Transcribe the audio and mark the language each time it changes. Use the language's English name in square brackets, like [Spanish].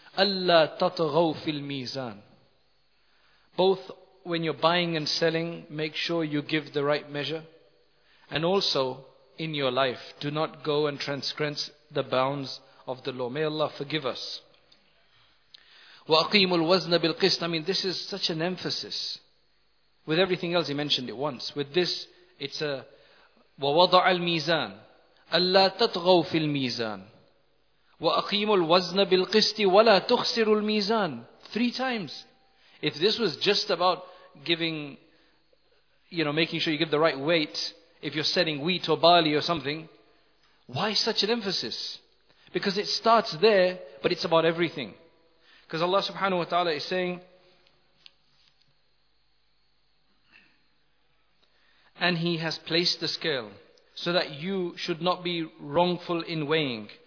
[English] Allah [Arabic] tatghaw fil mizan. [English] Both when you're buying and selling, make sure you give the right measure. And also in your life, do not go and transgress the bounds of the law. May Allah forgive us. [Arabic] وَأَقِيمُ الْوَزْنَ بِالْقِسْطِ. [English] I mean, this is such an emphasis. With everything else, he mentioned it once. With this, it's a [Arabic] وَوَضَعَ الْمِيزَانَ أَلَّا تَطْغَوْ فِي الْمِيزَانَ وَأَقِيمُ الْوَزْنَ بِالْقِسْطِ وَلَا تُخْسِرُ الْمِيزَانَ. [English] Three times. If this was just about giving, you know, making sure you give the right weight, if you're selling wheat or barley or something, why such an emphasis? Because it starts there, but it's about everything. Because Allah subhanahu wa ta'ala is saying, and He has placed the scale so that you should not be wrongful in weighing.